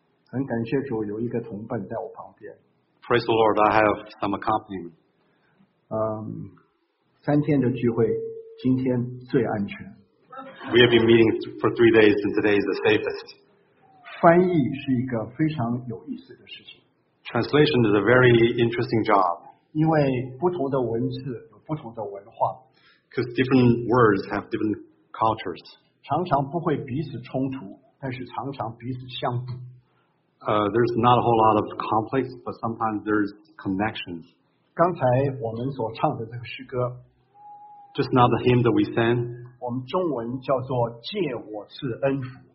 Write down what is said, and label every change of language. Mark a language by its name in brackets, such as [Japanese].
[Chinese] 很感谢主有一个同伴在我旁边。 [English] Praise the Lord, I have some accompanying. [Chinese] 三天的聚会，今天最安全。 [English] We have been meeting for 3 days, and today is the safest. [Chinese] 翻译是一个非常有意思的事情。 [English] Translation is a very interesting job. [Chinese] 因为不同的文字有不同的文化。 [English] Because different words have different cultures. [Chinese] 常常不会彼此冲突，但是常常彼此相补。 [English] There's not a whole lot of conflicts, but sometimes there's connections. [Chinese] 刚才我们所唱的这个诗歌。 [English] Just now the hymn that we sang. [Chinese] 我们中文叫做借我赐恩福。